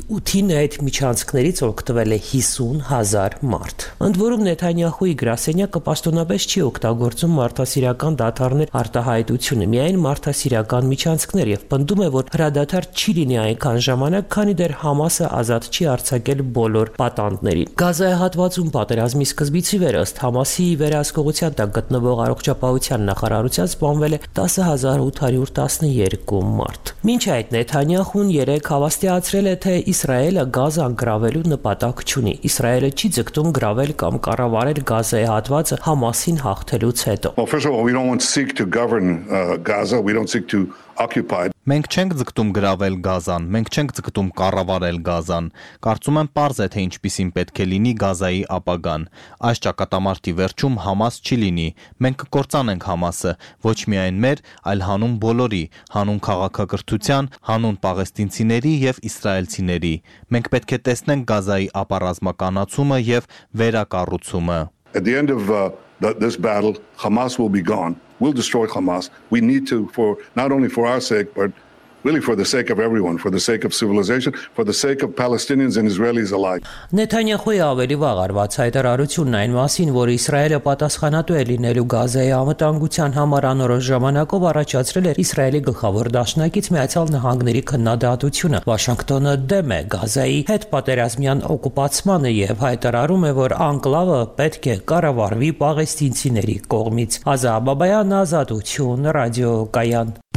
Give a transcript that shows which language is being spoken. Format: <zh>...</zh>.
<hy>8-ին այդ միջանցքներից օգտվել է 50,000 մարդ։ Ընդ որում Նեթանյահուի գրասենյակը պաշտոնապես չի օգտագործում մարդասիրական դադարներ արտահայտությունը, միայն մարդասիրական միջանցքներ, և պնդում է, որ հրադադար չի լինի այնքան ժամանակ, քանի դեռ Համասը ազատ չի արձակել բոլոր պատանդներին։ Գազայի հատվածում պատերազմի սկզբից ի վեր, ըստ Համասի վերահսկողության տակ գտնվող առողջապահության նախարարության, սպանվել է 10,812 մարդ։ Մինչ այդ Նեթանյահուն երեկ հավաստիացրել է, թե Իսրայելը Գազան գրավելու նպատակ չունի։ Իսրայելը չի ձգտում գրավել կամ կառավարել Գազայի հատվածը Համասին հաղթելուց հետո։</hy> <en>Well, first of all, we don't seek to govern Gaza. We don't seek to occupied.</en> <hy>Մենք չենք ձգտում գրավել Գազան, մենք չենք ձգտում կառավարել Գազան։ Կարծում եմ պարզ է, թե ինչպիսին պետք է լինի Գազայի ապագան։ Այս ճակատամարտի վերջում Համաս չի լինի։ Մենք կկործանենք Համասը, ոչ միայն մեր, այլ հանուն բոլորի, հանուն քաղաքակրթության, հանուն պաղեստինցիների և իսրայելցիների։ Մենք պետք է տեսնենք Գազայի ապառազմականացումը և վերակառուցումը։</hy> <en>At the end of this battle, Hamas will be gone. We'll destroy Hamas. We need to, for not only for our sake, but really for the sake of everyone, for the sake of civilization, for the sake of Palestinians and Israelis alike.</en> <hy>Netanyahu-ի ավելի վաղ արված հայտարարությունն այն մասին, որ Իսրայելը պատասխանատու է լինելու Գազայի անվտանգության համար անորոշ ժամանակով առաջացրել էր Իսրայելի գլխավոր դաշնակից Միացյալ Նահանգների քննադատությունը. Վաշինգտոնը դեմ է Գազայի հետ պատերազմյան օկուպացմանը և հայտարարում է, որ անկլավը պետք է կառավարվի պաղեստինցիների կողմից։ Ազա Աբաբայան, Ազատություն, Ռադիո Կայան։</hy>